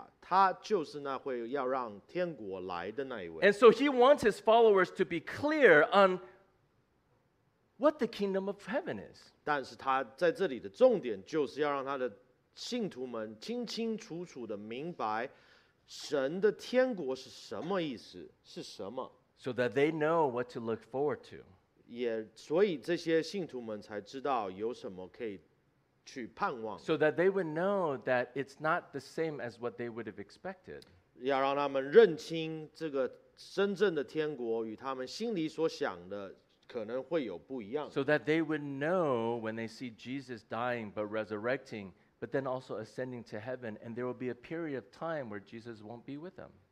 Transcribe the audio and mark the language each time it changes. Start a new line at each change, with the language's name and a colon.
English: And so he wants his followers to be clear on what the kingdom of heaven is.
Chinese: 但是他在这里的重点就是要让他的信徒们清清楚楚地明白神的天国是什么意思，是什么。So
English: that they know what to look forward to.
Chinese: 所以这些信徒们才知道有什么可以去盼望。So
English: that they would know that it's not the same as what they would have expected.
Chinese: 要让他们认清这个真正的天国与他们心里所想的
English: So that they would know when they see Jesus dying but resurrecting, but then also ascending to heaven, and there will be a period of time where Jesus won't be with them.